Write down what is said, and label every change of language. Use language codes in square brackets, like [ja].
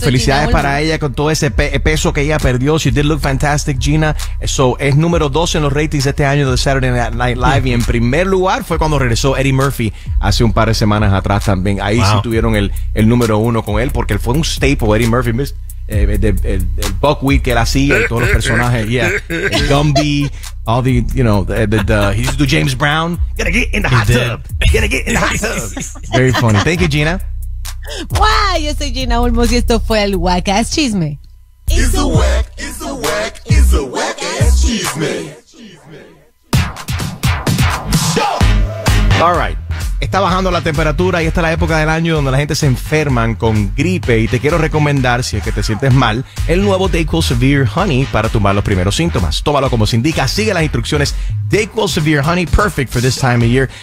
[es] Felicidades para ella con todo ese peso que ella perdió. [en] She did look fantastic, Gina. [es] So, es número 2 en los ratings este año de Saturday Night Live. Y en primer lugar fue cuando regresó Eddie Murphy hace un par de semanas atrás también. Ahí sí tuvieron el número 1 con él, porque él fue un staple, Eddie Murphy. El Buckwheat que él hacía, y todos los personajes. [en] Yeah. Gumby, all the, you know, he used to do James Brown. Gotta get in the hot tub. Gotta get in the hot tub. Very funny. Thank you, Gina. [es] Wow, yo soy Gina Olmos y esto fue el Wackass Chisme. [en] It's a wack, it's a wack, it's a wackass chisme. All right. [es] Está bajando la temperatura y esta es la época del año donde la gente se enferma con gripe, y te quiero recomendar, si es que te sientes mal, el nuevo DayQuil Severe Honey para tumbar los primeros síntomas. Tómalo como se indica, sigue las instrucciones. [en] DayQuil Severe Honey, perfect for this time of year.